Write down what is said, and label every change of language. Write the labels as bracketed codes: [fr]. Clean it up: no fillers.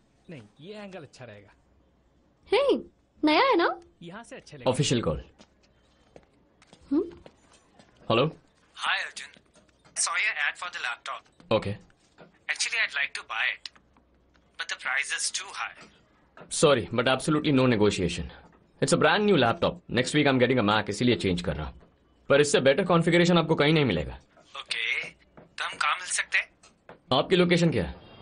[hi] नहीं, ये एंगल अच्छा रहेगा। हे, नया है ना? यहाँ से अच्छा लगेगा। [en] Official call. Hello. Hi Arjun, saw your ad for the laptop. Okay. Actually I'd like to buy it, but the price is too high. Sorry, but absolutely no negotiation. It's a brand new laptop. Next week I'm getting a Mac, [hi] इसलिए [en] change [hi] कर रहा हूँ. पर इससे [en] better configuration [hi] आपको कहीं नहीं मिलेगा. [en] Okay, [hi] तो हम कहाँ मिल सकते हैं? आपकी location क्या है?